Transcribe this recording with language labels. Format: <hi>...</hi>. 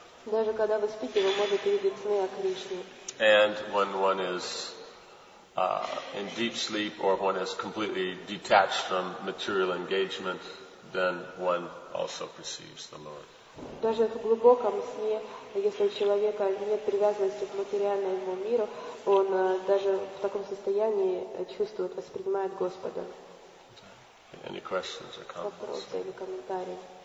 <ru>Даже когда вы спите, вы можете видеть сны о Кришне.</ru> <en>And when one is in deep sleep or one is completely detached from material engagement, then one also perceives the Lord.</en> <ru>Даже в глубоком сне, если у человека нет привязанности к материальному миру, он даже в таком состоянии чувствует, воспринимает Господа.</ru> <en>Any questions or comments?</en> <ru>Вопросы или комментарии?</ru>